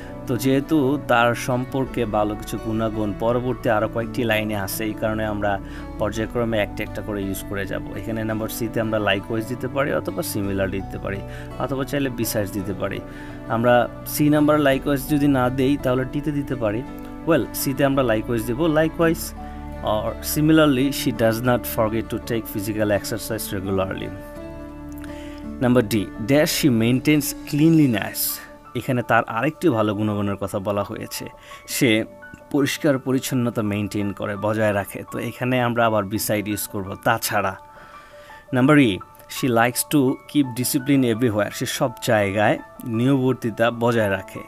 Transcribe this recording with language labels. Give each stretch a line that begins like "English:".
Bangla: তো যেহেতু তার সম্পর্কে ভালো কিছু গুণাগুণ পরবর্তী আরও কয়েকটি লাইনে আসে, এই কারণে আমরা পর্যায়ক্রমে একটা একটা করে ইউজ করে যাব। এখানে নাম্বার সিতে আমরা লাইকওয়াইজ দিতে পারি অথবা সিমিলারলি দিতে পারি অথবা চাইলে বিসাইডস দিতে পারি। আমরা সি নাম্বার লাইকওয়াইজ যদি না দেই তাহলে টিতে দিতে পারি। ওয়েল, সিতে আমরা লাইকওয়াইজ দেবো, likewise
English: Or similarly, she does not forget to take physical exercise regularly. Number D, there she maintains cleanliness.
Bangla: এখানে তার আরেকটি ভালো গুণগণের কথা বলা হয়েছে, সে পরিষ্কার পরিচ্ছন্নতা মেইনটেইন করে, বজায় রাখে। তো এখানে আমরা আবার বিসাইড ইউজ করব তাছাড়া। Number E,
English: she likes to keep discipline everywhere,
Bangla: সে সব জায়গায় নিয়মবর্তিতা বজায় রাখে।